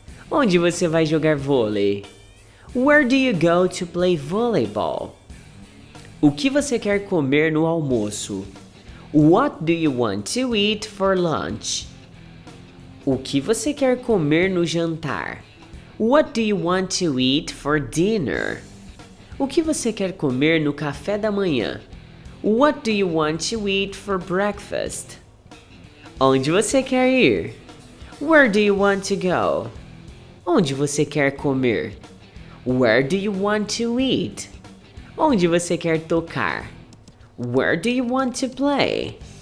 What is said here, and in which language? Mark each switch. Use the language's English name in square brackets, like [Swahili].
[Portuguese] Onde você vai jogar vôlei? [English] Where do you go to play volleyball? [Portuguese] O que você quer comer no almoço? [English] What do you want to eat for lunch? [Portuguese] O que você quer comer no jantar? [English] What do you want to eat for dinner? [Portuguese] O que você quer comer no café da manhã? [English] What do you want to eat for breakfast? [Portuguese] Onde você quer ir? [English] Where do you want to go? [Portuguese] Onde você quer comer? [English] Where do you want to eat? [Portuguese] Onde você quer tocar? [English] Where do you want to play?